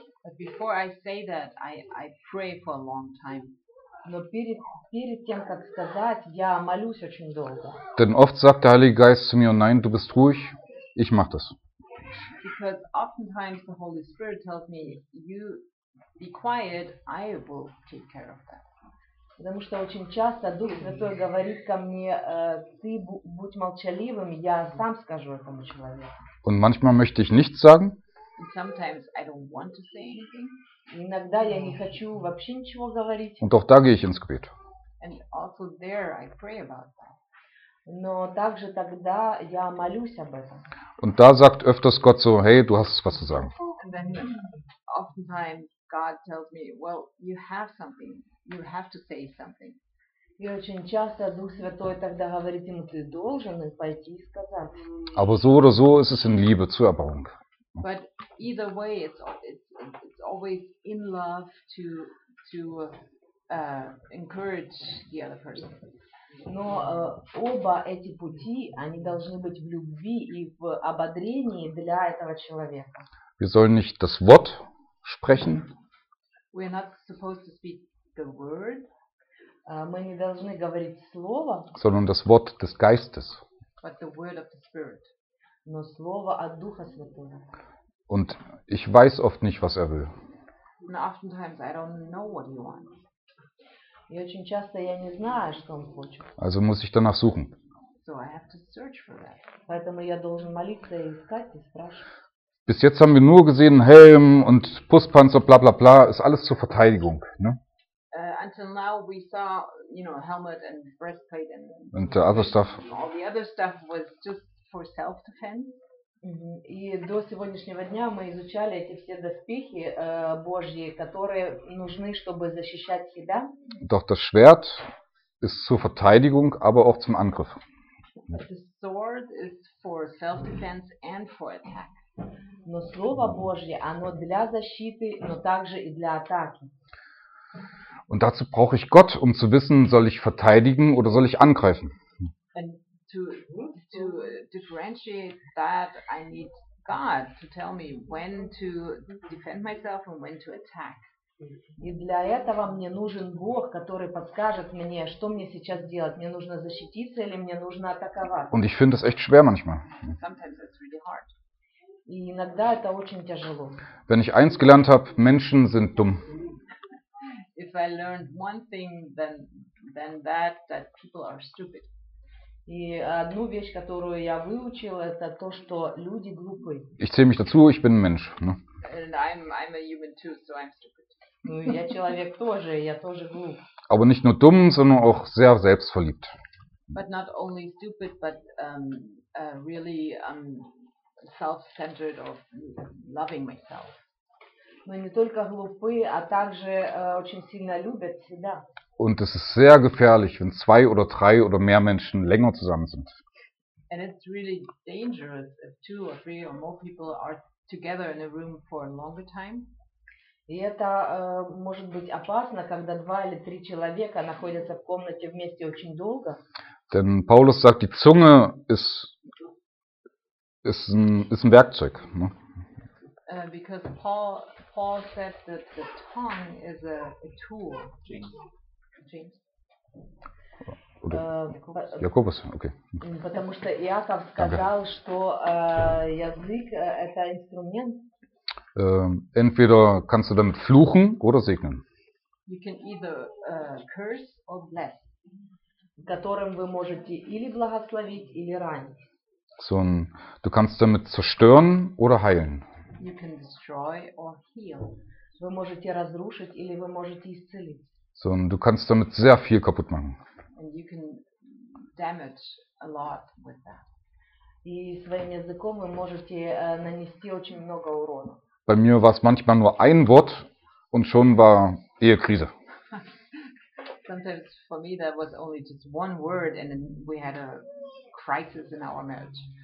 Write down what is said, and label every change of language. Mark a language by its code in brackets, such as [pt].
[en] But before I say that, I pray for a long time. [ru] Но перед тем, как сказать, я молюсь очень долго. [de] Denn oft sagt der Heilige Geist zu mir, nein, du bist ruhig, ich mach das. [en] Because oftentimes the Holy Spirit tells me, you be quiet, I will take care of that. [ru] Потому что очень часто Дух Святой говорит ко мне, ты будь молчаливым, я сам скажу этому человеку. [de] Und manchmal möchte ich nichts sagen. [en] And sometimes I don't want to say anything. [ru] Иногда я не хочу вообще ничего говорить. [de] Und auch da gehe ich ins Gebet. [en] And also there I pray about that. [ru] Но также тогда я молюсь об этом. [de] Und da sagt öfters Gott so, hey, du hast was zu sagen. [en] And then oftentimes God tells me, well, you have something. You have to say something. [ru] И очень часто Дух Святой тогда говорит ему, ты должен пойти и сказать. [de] Aber so oder so ist es in Liebe, zur Erbauung. [en] But either way, it's always in love to encourage the other person. [ru] Но оба эти пути, они должны быть в любви и в ободрении для этого человека. [de] Wir sollen nicht das Wort sprechen. [en] We are not supposed to speak the word. [ru] Мы не должны говорить слово. [de] Sondern das Wort des Geistes. [en] But the word of the Spirit. [ru] Но слово от Духа Святого. [de] Und ich weiß oft nicht, was er will. [en] And oftentimes I don't know what he wants. [ru] И очень часто я не знаю, что он хочет. [de] Also muss ich danach suchen. [en] So I have to search for that. [ru] Поэтому я должен молиться и искать, и спрашивать. [de] Bis jetzt haben wir nur gesehen, Helm und Brustpanzer, bla bla bla, ist alles zur Verteidigung, ne? [en] Until now we saw, you know, helmet and breastplate and the other stuff. All the other stuff was just for self-defense. [ru] И до сегодняшнего дня мы изучали эти все доспехи Божьи, которые нужны, чтобы защищать себя. [de] Doch das Schwert ist zur Verteidigung, aber auch zum Angriff. [en] The sword is for self-defense and for attack. [ru] Но Слово Божье, оно для защиты, но также и для атаки. [de] Und dazu brauche ich Gott, um zu wissen, soll ich verteidigen oder soll ich angreifen? [en] To differentiate that, I need God to tell me when to defend myself and when to attack. [ru] И для этого мне нужен Бог, который подскажет мне, что мне сейчас делать. Мне нужно защититься или мне нужно атаковать. [de] Und ich finde das echt schwer manchmal. [en] Sometimes it's really hard. [ru] И иногда это очень тяжело. [de] Wenn ich eins gelernt habe, Menschen sind dumm. [en] If I learned one thing, then that people are stupid. [ru] И одну вещь, которую я выучил, это то, что люди глупые. [de] Ich zähle mich dazu, ich bin ein Mensch. Ne? [en] And I'm a human too, so I'm stupid. [ru] Ну, я человек тоже, я тоже глуп. [de] Aber nicht nur dumm, sondern auch sehr selbstverliebt. [en] But not only stupid, but really self-centered or loving myself. [ru] Но не только глупы, а также очень сильно любят себя. [de] Und es ist sehr gefährlich, wenn zwei oder drei oder mehr Menschen länger zusammen sind. [en] And it's really dangerous if two or three or more people are together in a room for a longer time. [ru] И это может быть опасно, когда два или три человека находятся в комнате вместе очень долго. [de] Denn Paulus sagt, die Zunge ist ein Werkzeug. Ne? [en] Because Paul said that the tongue is a tool. James. [de] Jakobus, okay. [ru] Потому что Иаков сказал, что язык это инструмент. [de] Entweder kannst du damit fluchen oder segnen. [en] You can either curse or bless. [ru] Которым вы можете или благословить, или ранить. [de] So, du kannst damit zerstören oder heilen. [en] You can destroy or heal. [ru] Вы можете разрушить или вы можете исцелить. [de] So, du kannst damit sehr viel kaputt machen. [en] And you can damage a lot with that. [ru] И своим языком вы можете нанести очень много урона. [de] Bei mir war es manchmal nur ein Wort und schon war Ehekrise. [en] Sometimes for me that was only just one word and then we had a crisis in our marriage.